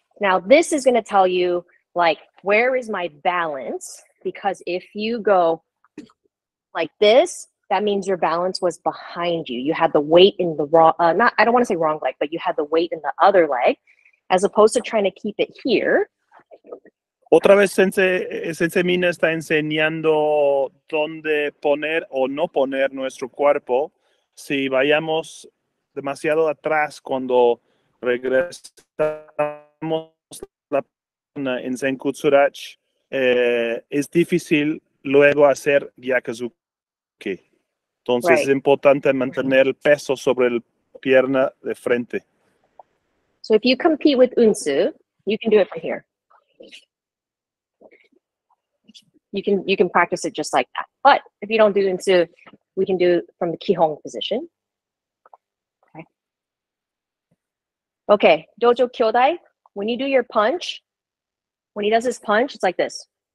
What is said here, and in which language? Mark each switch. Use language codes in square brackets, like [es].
[en] Now this is going to tell you, like, where is my balance? Because if you go like this, that means your balance was behind you. You had the weight in the wrong, I don't want to say wrong leg, but you had the weight in the other leg, as opposed to trying to keep it here. [es] Otra vez, Sensei Mina está enseñando dónde poner o no poner nuestro cuerpo si vayamos demasiado atrás cuando regresamos la pierna en Senkutsurach. Es difícil luego hacer Gyakuzuki. Entonces, right, es importante mantener el peso sobre la pierna de frente. [en] So if you compete with Unsu, you can do it from here. You can practice it just like that. But if you don't do Unsu, we can do it from the Kihon position. Okay, Dojo Kyodai, when you do your punch, when he does his punch, it's like this.